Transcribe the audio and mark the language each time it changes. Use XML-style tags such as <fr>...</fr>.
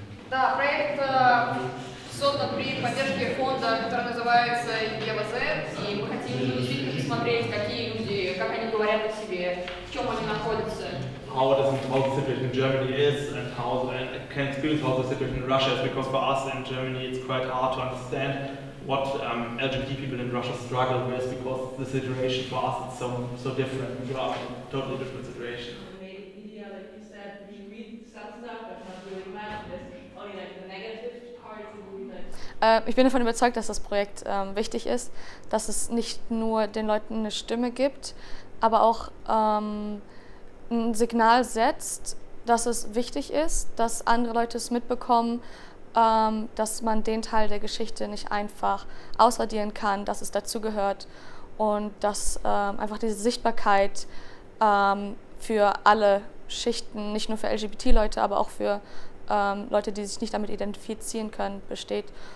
<ru>Да, проект создан при поддержке фонда, который называется ЕВЗ, и мы хотим действительно посмотреть, какие люди, как они говорят о себе, в чем они находятся.</ru> <en>How does the situation in Germany is, and how can experience how the situation in Russia is, because for us in Germany it's quite hard to understand what LGBT people in Russia struggle with, because the situation for us is so different. We are in a totally different situation. The main idea, like you said, we read some stuff, but not really much. It's only like the negative</en> <de>Ich bin davon überzeugt, dass das Projekt wichtig ist, dass es nicht nur den Leuten eine Stimme gibt, aber auch ein Signal setzt, dass es wichtig ist, dass andere Leute es mitbekommen, dass man den Teil der Geschichte nicht einfach ausradieren kann, dass es dazugehört und dass einfach diese Sichtbarkeit für alle Schichten, nicht nur für LGBT-Leute, aber auch für Leute, die sich nicht damit identifizieren können, besteht.</de>